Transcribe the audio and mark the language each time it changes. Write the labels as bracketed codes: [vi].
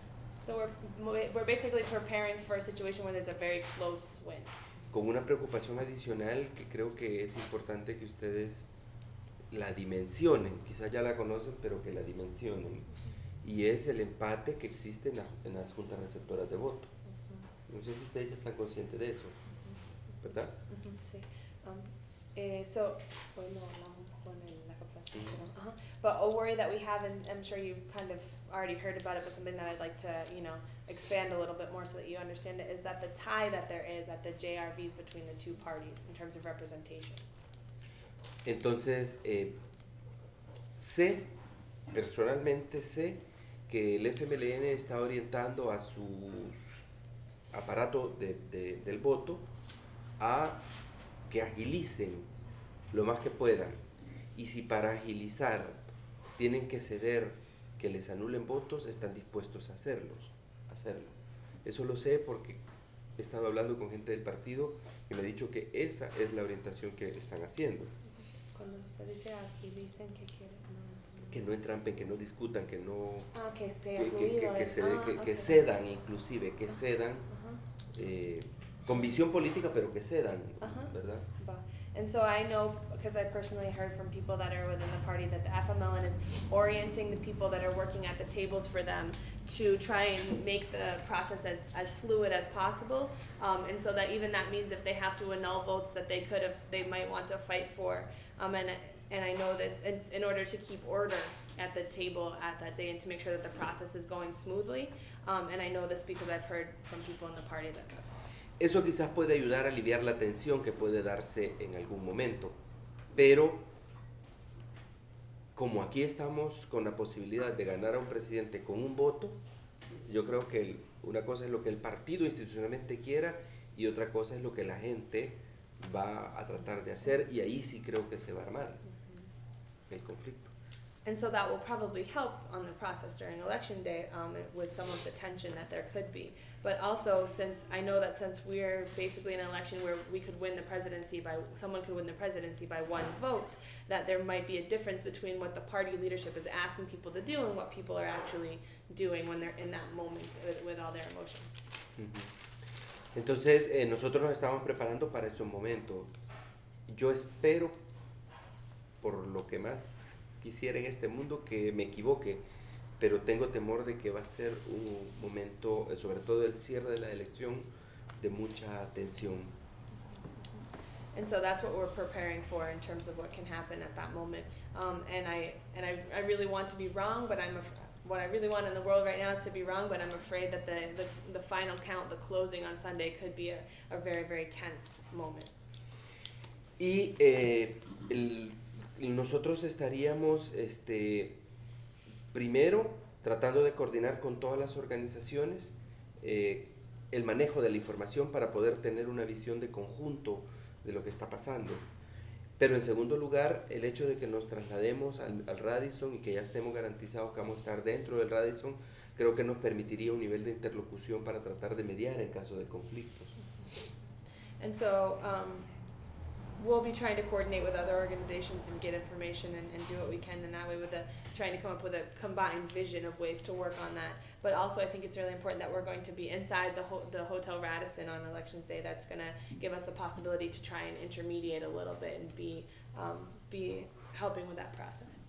[en] So we're basically preparing for a situation where there's a very close win. [es] Con una preocupación adicional que creo que es importante que ustedes la dimensionen, quizás ya la conocen, pero que la dimensionen. Y es el empate que existe en las juntas receptoras de voto. No sé si ustedes ya están conscientes de eso, ¿verdad? Sí. [en] So, [es] bueno, con la capacidad, ¿no? [en] But a worry that we have, and I'm sure you've kind of already heard about it, but something that I'd like to, you know, expand a little bit more so that you understand it, is that the tie that there is at the JRVs between the two parties in terms of representation. [es] Entonces, sé, personalmente sé, que el FMLN está orientando a su aparato del voto a que agilicen lo más que puedan. Y si para agilizar tienen que ceder que les anulen votos, están dispuestos a hacerlo. Eso lo sé porque he estado hablando con gente del partido y me ha dicho que esa es la orientación que están haciendo. Cuando usted dice agilicen, ¿qué quiere? Que no entrampen, que no discutan, que no... Ah, que sea ruido. Que cedan, inclusive, que cedan. Uh-huh. Con visión política, pero que cedan, uh-huh. ¿Verdad? [en] And so I know, because I personally heard from people that are within the party, that the FMLN is orienting the people that are working at the tables for them to try and make the process as fluid as possible. And so that even that means if they have to annul votes that they could have, they might want to fight for. And I know this, in order to keep order at the table at that day and to make sure that the process is going smoothly. And I know this because I've heard from people in the party that that's... [es] Eso quizás puede ayudar a aliviar la tensión que puede darse en algún momento. Pero, como aquí estamos con la posibilidad de ganar a un presidente con un voto, yo creo que una cosa es lo que el partido institucionalmente quiera y otra cosa es lo que la gente va a tratar de hacer, y ahí sí creo que se va a armar el conflicto. [en] And so that will probably help on the process during election day with some of the tension that there could be. But also, since we're basically in an election where we could win the presidency by, someone could win the presidency by one vote, that there might be a difference between what the party leadership is asking people to do and what people are actually doing when they're in that moment with all their emotions. Mm-hmm. [es] Entonces, nosotros nos estamos preparando para ese momento. Yo espero, por lo que más quisiera en este mundo, que me equivoque, pero tengo temor de que va a ser un momento, sobre todo el cierre de la elección, de mucha tensión. [en] And so that's what we're preparing for in terms of what can happen at that moment. And I really want to be wrong, but what I really want in the world right now is to be wrong, but I'm afraid that the final count, the closing on Sunday, could be a very, very tense moment. [es] Y nosotros estaríamos primero tratando de coordinar con todas las organizaciones el manejo de la información para poder tener una visión de conjunto de lo que está pasando. Pero en segundo lugar, el hecho de que nos traslademos al Radisson y que ya estemos garantizados que vamos a estar dentro del Radisson, creo que nos permitiría un nivel de interlocución para tratar de mediar en caso de conflictos. [en] And so, we'll be trying to coordinate with other organizations and get information and do what we can in that way, trying to come up with a combined vision of ways to work on that. But also, I think it's really important that we're going to be inside the Hotel Radisson on Election Day. That's going to give us the possibility to try and intermediate a little bit and be helping with that process.